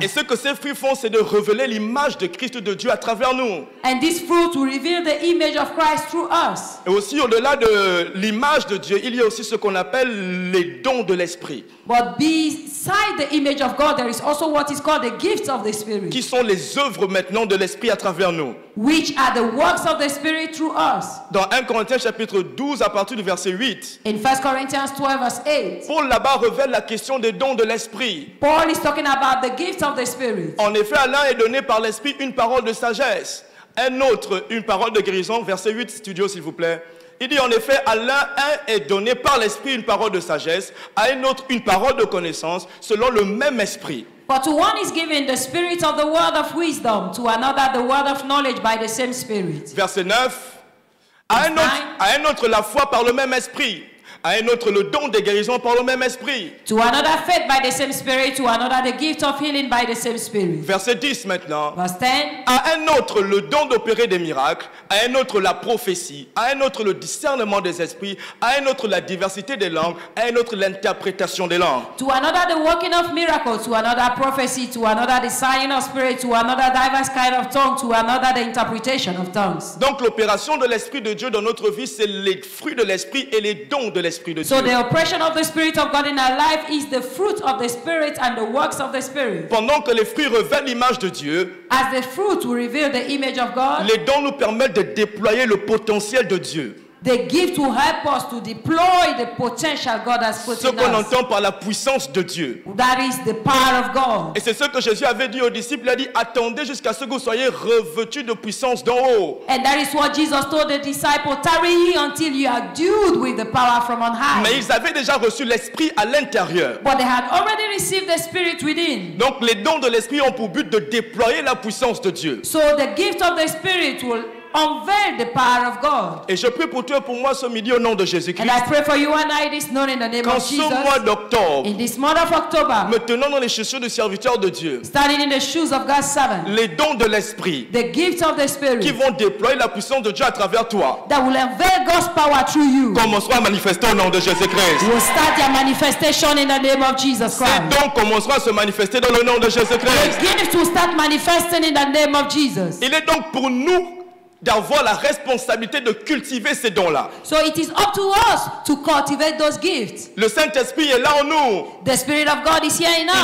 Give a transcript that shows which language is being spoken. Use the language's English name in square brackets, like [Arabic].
[French] Et ce que ces fruits font, c'est de révéler l'image de Christ de Dieu à travers nous. [English] And these fruits will reveal the image of Christ through us. [French] Et aussi au-delà de l'image de Dieu, il y a aussi ce qu'on appelle les dons de l'esprit. [English] But beside the image of God, there is also what is called the gifts of the Spirit. [French] Qui sont les œuvres maintenant de l'esprit à travers nous? [English] Which are the works of the Spirit through us? [French] Dans 1 Corinthiens chapitre 12 à partir du verset 8. [English] In 1 Corinthians 12 verse 8. [French] Paul là-bas révèle la question des dons de l'esprit. [English] Paul is talking about the gifts of the Spirit. [French] En effet, à l'un est donné par l'esprit une parole de sagesse. Un autre, une parole de guérison, verset 8, studio s'il vous plaît. Il dit en effet, à l'un est donné par l'esprit une parole de sagesse, à un autre une parole de connaissance, selon le même esprit. [English] But to one is given the spirit of the word of wisdom, to another the word of knowledge by the same spirit. [French] Verset 9, à un autre la foi par le même esprit, À un autre le don de guérison par le même esprit. [English] To another faith by the same spirit, to another the gift of healing by the same spirit. [French] Verset 10 maintenant. [English] Verse 10. [French] À un autre le don d'opérer des miracles, à un autre la prophétie, à un autre le discernement des esprits, à un autre la diversité des langues, à un autre l'interprétation des langues. [English] To another the working of miracles, to another prophecy, to another the signing of spirit, to another diverse kind of tongue, to another the interpretation of tongues. [French] Donc l'opération de l'esprit de Dieu dans notre vie, c'est les fruits de l'esprit et les dons de l'esprit de Dieu. [English] So the operation of the spirit of God in our life is the fruit of the spirit and the works of the spirit. [French] Pendant que les fruits révèlent l'image de Dieu, [English] as the fruit will reveal the image of God, [French] les dons nous permettent de déployer le potentiel de Dieu. [English] The gift will help us to deploy the potential God has put in us. [French] Ce qu'on entend par la puissance de Dieu. [English] That is the power of God. [French] Et c'est ce que Jésus avait dit aux disciples. Il a dit, attendez jusqu'à ce que vous soyez revêtus de puissance d'en haut. [English] And that is what Jesus told the disciples, tarry ye until you are endued with the power from on high. [French] Mais ils avaient déjà reçu l'esprit à l'intérieur. [English] But they had already received the spirit within. [French] Donc les dons de l'esprit ont pour but de déployer la puissance de Dieu. [English] So the gift of the spirit will unveil the power of God. [French] Et je prie pour toi et pour moi ce midi au nom de Jésus-Christ. [English] And I pray for you and I this morning in the name [French] qu'en [English] of Jesus. [French] Ce mois d'octobre, [English] in this month of October, [French] me tenant dans les chaussures du serviteur de Dieu, [English] standing in the shoes of God's servant, [French] les dons de l'esprit, [English] the gifts of the spirit, [French] qui vont déployer la puissance de Dieu à travers toi, [English] that will unveil God's power through you, [French] commenceront à manifester au nom de Jésus-Christ. [English] Will start their manifestation in the name of Jesus Christ. [French] Ces dons commenceront à se manifester dans le nom de Jésus-Christ. [English] The gifts will start manifesting in the name of Jesus. [French] Il est donc pour nous d'avoir la responsabilité de cultiver ces dons-là. [English] So it is up to us to cultivate those gifts. [French] Le Saint-Esprit est là en nous. [English] The Spirit of God is here in us.